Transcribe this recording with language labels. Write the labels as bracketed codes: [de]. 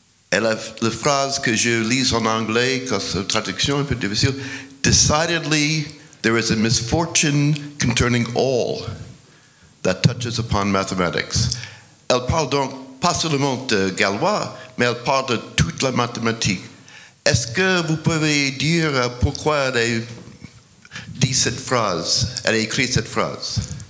[fr] Elle a la phrase que je lis en anglais, parce que la traduction est un peu difficile. [en] Decidedly, there is a misfortune concerning all that touches upon mathematics. [fr] Elle parle donc pas seulement de Galois, mais elle parle de toute la mathématique. Est-ce que vous pouvez dire pourquoi elle a dit cette phrase, elle a écrit cette phrase?